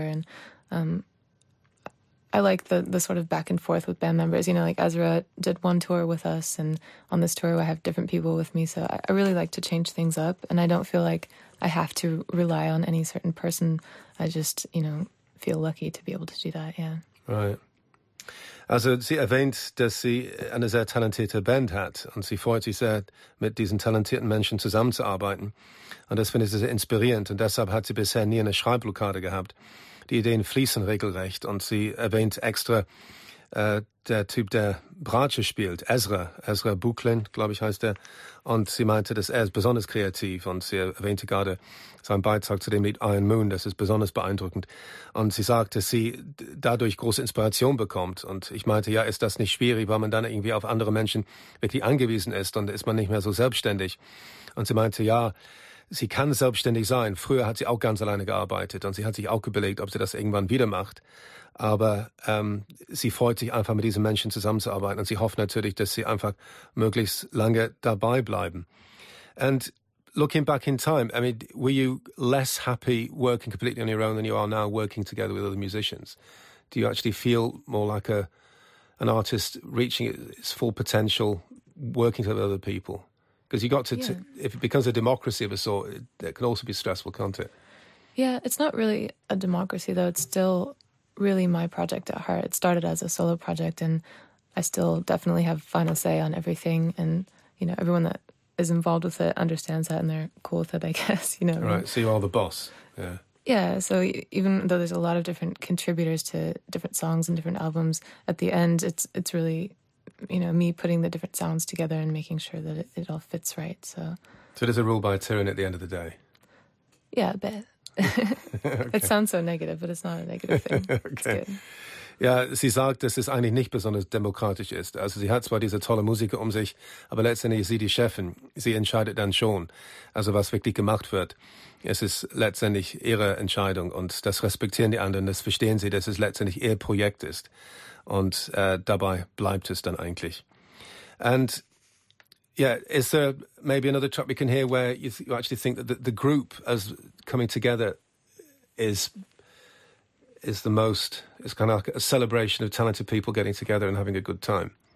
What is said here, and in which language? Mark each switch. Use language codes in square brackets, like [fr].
[en] And I like the sort of back and forth with band members. You know, like Ezra did one tour with us, and on this tour I have different people with me. So I really like to change things up, and I don't feel like I have to rely on any certain person. I just, you know, feel lucky to be able to do that, yeah. Right. [de] Also, Sie erwähnt, dass Sie eine sehr talentierte Band hat, und Sie freut sich sehr, mit diesen talentierten Menschen zusammenzuarbeiten. Und das finde ich sehr inspirierend, und deshalb hat sie bisher nie eine Schreibblockade gehabt. Die Ideen fließen regelrecht, und sie erwähnt extra der Typ, der Bratsche spielt, Ezra Buchlin, glaube ich, heißt er. Und sie meinte, dass er ist besonders kreativ, und sie erwähnte gerade seinen Beitrag zu dem Lied Iron Moon, das ist besonders beeindruckend. Und sie sagt, dass sie dadurch große Inspiration bekommt. Und ich meinte, ja, ist das nicht schwierig, weil man dann irgendwie auf andere Menschen wirklich angewiesen ist und ist man nicht mehr so selbstständig. Und sie meinte, ja, sie kann selbstständig sein. Früher hat sie auch ganz alleine gearbeitet und sie hat sich auch überlegt, ob sie das irgendwann wieder macht. Aber sie freut sich einfach, mit diesen Menschen zusammenzuarbeiten, und sie hofft natürlich, dass sie einfach möglichst lange dabei bleiben. [en] And looking back in time, I mean, were you less happy working completely on your own than you are now working together with other musicians? Do you actually feel more like an artist reaching its full potential working together with other people? Because you got to, if it becomes a democracy of a sort, it can also be stressful, can't it? Yeah, it's not really a democracy, though. It's still really my project at heart. It started as a solo project, and I still definitely have final say on everything. And, you know, everyone that is involved with it understands that, and they're cool with it, I guess, you know. Right, so you are the boss, yeah. Yeah, so even though there's a lot of different contributors to different songs and different albums, at the end, it's really, you know, me putting the different sounds together and making sure that it all fits right. So it is a rule by tyranny at the end of the day. Yeah, a bit. Okay. It sounds so negative, but it's not a negative thing. Okay. It's good. [de] Ja, sie sagt, dass es eigentlich nicht besonders demokratisch ist. Also sie hat zwar diese tolle Musiker um sich, aber letztendlich ist sie die Chefin. Sie entscheidet dann schon. Also was wirklich gemacht wird, es ist letztendlich ihre Entscheidung. Und das respektieren die anderen, das verstehen sie, dass es letztendlich ihr Projekt ist. Und dabei bleibt es dann eigentlich. [en] And yeah, is there maybe another track we can hear where you actually think that the group as coming together is the most, it's kind of like a celebration of talented people getting together and having a good time?